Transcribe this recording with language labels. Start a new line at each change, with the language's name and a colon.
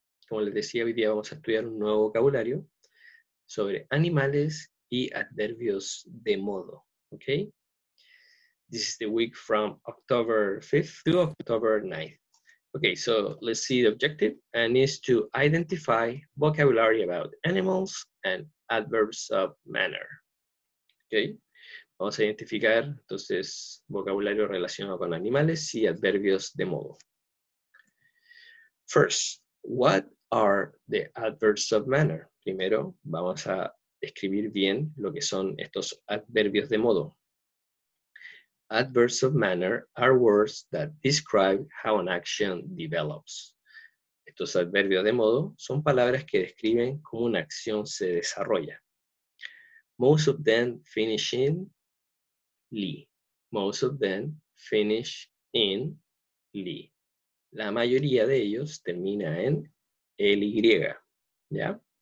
Spanish: Como les decía, hoy día vamos a estudiar un nuevo vocabulario sobre animales y adverbios de modo, okay?
English: This is the week from October 5th to October 9th. Okay, so let's see the objective, and is to identify vocabulary about animals and adverbs of manner.
Spanish: Okay, vamos a identificar entonces vocabulario relacionado con animales y adverbios de modo.
English: First, what are the adverbs of manner?
Spanish: Primero, vamos a describir bien lo que son estos adverbios de modo.
English: Adverbs of manner are words that describe how an action develops.
Spanish: Estos adverbios de modo son palabras que describen cómo una acción se desarrolla.
English: Most of them finish in -ly. Most of them finish in -ly.
Spanish: La mayoría de ellos termina en -ly. ¿Ya?